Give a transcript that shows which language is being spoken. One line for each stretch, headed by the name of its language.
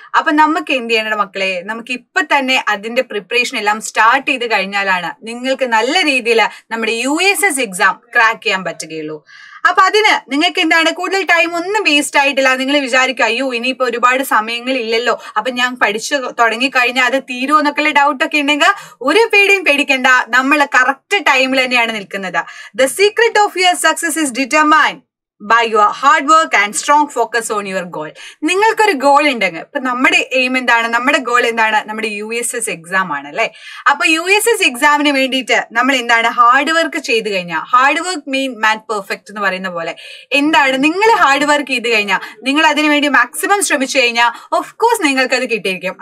Malayalam: അപ്പൊ നമുക്ക് എന്ത് ചെയ്യണം മക്കളെ, നമുക്ക് ഇപ്പൊ തന്നെ അതിന്റെ പ്രിപ്പറേഷൻ എല്ലാം സ്റ്റാർട്ട് ചെയ്ത് കഴിഞ്ഞാലാണ് നിങ്ങൾക്ക് നല്ല രീതിയിൽ നമ്മുടെ USS എക്സാം ക്രാക്ക് ചെയ്യാൻ പറ്റുകയുള്ളൂ. അപ്പൊ അതിന് നിങ്ങൾക്ക് എന്താണ്, കൂടുതൽ ടൈം ഒന്നും വേസ്റ്റ് ആയിട്ടില്ല. നിങ്ങൾ വിചാരിക്കും, അയ്യോ ഇനിയിപ്പോ ഒരുപാട് സമയങ്ങൾ ഇല്ലല്ലോ, അപ്പൊ ഞാൻ പഠിച്ചു തുടങ്ങിക്കഴിഞ്ഞാൽ അത് തീരുമോ എന്നൊക്കെയുള്ള ഡൗട്ടൊക്കെ ഉണ്ടെങ്കിൽ ഒരു പേടിയും പേടിക്കണ്ട, നമ്മൾ കറക്റ്റ് ടൈമിൽ തന്നെയാണ് നിൽക്കുന്നത്.
English: The secret of your success is determined by your hard work and strong focus on your goal.
Malayalam: നിങ്ങൾക്കൊരു ഗോൾ ഉണ്ടെങ്കിൽ, ഇപ്പൊ നമ്മുടെ എയിം എന്താണ്, നമ്മുടെ ഗോൾ എന്താണ്, നമ്മുടെ USS എക്സാം ആണ് അല്ലേ. അപ്പൊ USS എക്സാമിന് വേണ്ടിയിട്ട് നമ്മൾ എന്താണ് ഹാർഡ് വർക്ക് ചെയ്ത് കഴിഞ്ഞാൽ,
English: hard work mean man perfect
Malayalam: എന്ന് പറയുന്ന പോലെ, എന്താണ് നിങ്ങൾ ഹാർഡ് വർക്ക് ചെയ്ത് കഴിഞ്ഞാൽ, നിങ്ങൾ അതിനു വേണ്ടി മാക്സിമം ശ്രമിച്ചു കഴിഞ്ഞാൽ ഓഫ് കോഴ്സ് നിങ്ങൾക്കത് കിട്ടിയിരിക്കും.